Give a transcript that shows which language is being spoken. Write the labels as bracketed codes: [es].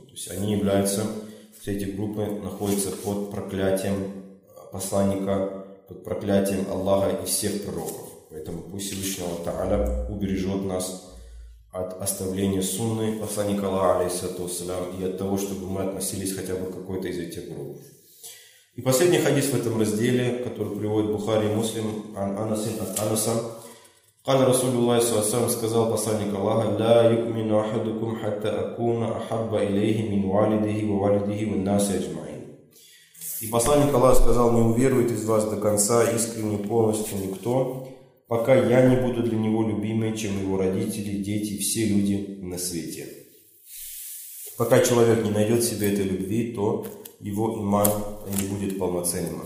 [ru] То есть они являются, все эти группы находятся под проклятием посланника, под проклятием Аллаха и всех пророков. Поэтому пусть Всевышний Аллах Та'аля убережет нас от оставления сунны посланника Аллаха, алейхиссалату вассалям, и от того, чтобы мы относились хотя бы к какой-то из этих групп. И последний хадис в этом разделе, который приводит Бухари и Муслим, ан-Анаса, [ar] قَالَ رَسُولُ اللَّهِ صَلَّى اللَّهُ عَلَيْهِ وَسَلَّمَ [ru] сказал посланник Аллаха: [ar] لَا يُؤْمِنُ أَحَدُكُمْ حَتَّى أَكُونَ أَحَبَّ إِلَيْهِ مِنْ وَالِدِهِ وَوَالِدِهِ وَالنَّاسِ أَجْمَعِينَ. [ru] И посланник Аллаха сказал: не уверует из вас до конца искренне полностью никто, пока я не буду для него любимее, чем его родители, дети, все люди на свете. Пока человек не найдет в себе этой любви, то его иман не будет полноценным.